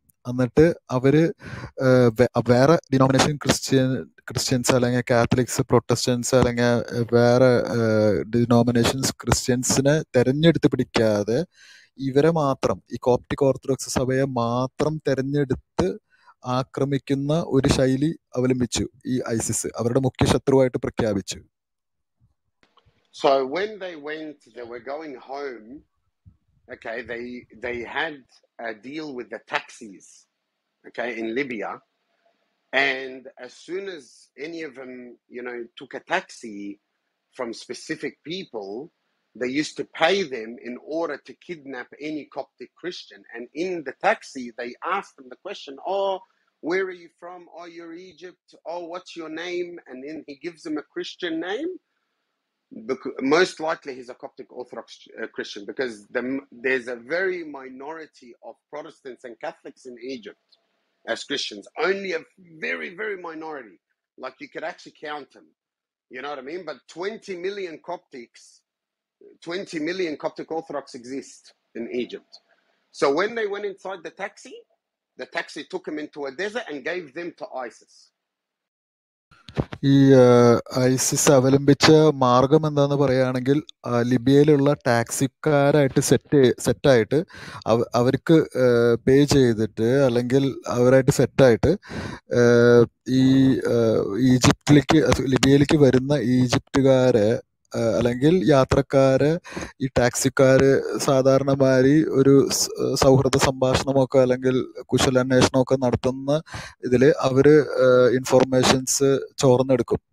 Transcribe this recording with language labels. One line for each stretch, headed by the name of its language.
Malayalam: എന്നിട്ട് അവര് വേറെ ഡിനോമിനേഷൻ ക്രിസ്ത്യൻസ് അല്ലെങ്കിൽ കാത്തലിക്സ് പ്രൊട്ടസ്റ്റൻസ് അല്ലെങ്കിൽ വേറെ ഡിനോമിനേഷൻസ് ക്രിസ്ത്യൻസിനെ തെരഞ്ഞെടുത്ത് പിടിക്കാതെ ഇവരെ മാത്രം, ഈ കോപ്റ്റിക് ഓർത്തഡോക്സ് സഭയെ മാത്രം തെരഞ്ഞെടുത്ത് ആക്രമിക്കുന്ന ഒരു ശൈലി അവലംബിച്ചു ഈ ഐസിസ്, അവരുടെ മുഖ്യ ശത്രുവായിട്ട് പ്രഖ്യാപിച്ചു.
English: So when they went, they were going home. Okay, they had a deal with the taxis, okay, in Libya. And as soon as any of them, you know, took a taxi from specific people, they used to pay them in order to kidnap any Coptic Christian. And in the taxi, they asked them the question, oh, where are you from? Oh, you're Egypt. Oh, what's your name? And then he gives them a Christian name. Because most likely he's a Coptic Orthodox Christian, because there's a very minority of Protestants and Catholics in Egypt as Christians, only a very, very minority. Like you could actually count them, you know what I mean? But 20 million Coptics, 20 million Coptic Orthodox exist in Egypt. So when they went inside the taxi took them into a desert and gave them to ISIS.
Malayalam: ഈ ISIS അവലംബിച്ച മാർഗം എന്താന്ന് പറയുകയാണെങ്കിൽ ലിബിയയിലുള്ള ടാക്സിക്കാരായിട്ട് സെറ്റായിട്ട് അവർക്ക് പേ ചെയ്തിട്ട് അല്ലെങ്കിൽ അവരായിട്ട് സെറ്റായിട്ട് ഈ ഈജിപ്തിലേക്ക് ലിബിയയിലേക്ക് വരുന്ന ഈജിപ്തുകാരെ അല്ലെങ്കിൽ യാത്രക്കാരെ ഈ ടാക്സിക്കാര് സാധാരണമായി ഒരു സൗഹൃദ സംഭാഷണമൊക്കെ അല്ലെങ്കിൽ കുശലാന്വേഷണമൊക്കെ നടത്തുന്ന ഇതില് അവര് ഇൻഫോർമേഷൻസ് ചോർന്നെടുക്കും.